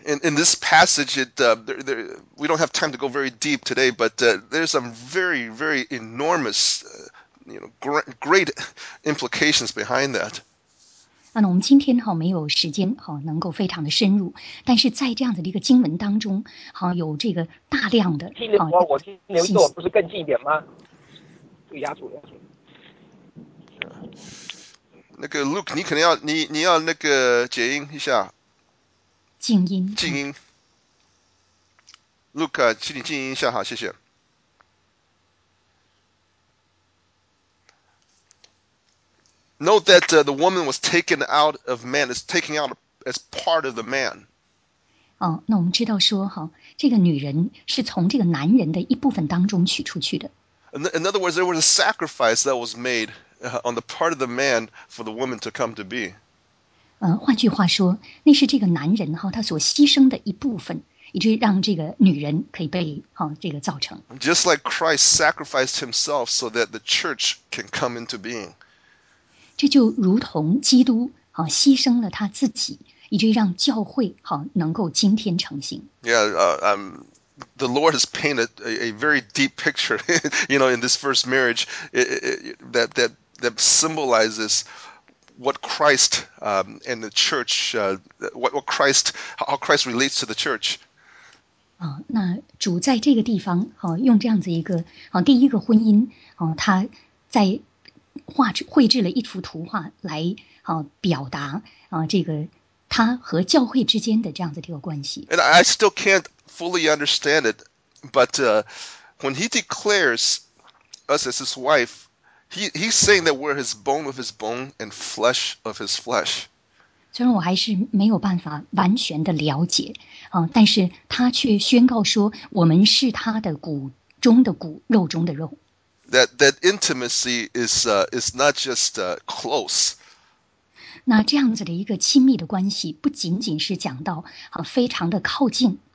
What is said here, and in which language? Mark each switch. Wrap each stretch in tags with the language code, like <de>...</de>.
<en>In this passage, we don't have time to go very deep today, but there's some very, very enormous, great implications behind that.</en> <zh>那我们今天哈没有时间哈能够非常的深入，但是在这样的一个经文当中，哈有这个大量的。听你说，我听你说，不是更近一点吗？对，压住。那个 Luke， 你可能要你要那个解音一下，静音。静音。Luke， 请你静音一下，好，谢谢。</zh> <en>Note that the woman was taken out of man is taken out as part of the man。</en> <zh>哦，那我们知道说哈，这个女人是从这个男人的一部分当中取出去的。</zh> <en>In other words, there was a sacrifice that was made. On the part of the man for the woman to come to be.</en> <zh>换句话说，那是这个男人哈他所牺牲的一部分，以至于让这个女人可以被哈这个造成。</zh> <en>Just like Christ sacrificed himself so that the church can come into being.</en> <zh>这就如同基督哈牺牲了他自己，以至于让教会哈能够今天成型。</zh> <en>Yeah, The Lord has painted a very deep picture, in this first marriage that symbolizes what Christ and the church, how Christ relates to the church.</en> <zh>那主在这个地方，用这样子一个，第一个婚姻，他在绘制了一幅图画来表达这个他和教会之间的这样子这个关系。</zh> <en>And I still can't fully understand it, but when he declares us as his wife, he's saying that we're his bone of his bone and flesh of his flesh.</en> <zh>虽然我还是没有办法完全的了解，但是他却宣告说我们是他的骨中的骨，肉中的肉。</zh> <en>That intimacy is not just close.</en> <zh>那这样子的一个亲密的关系，不仅仅是讲到非常的靠近。</zh>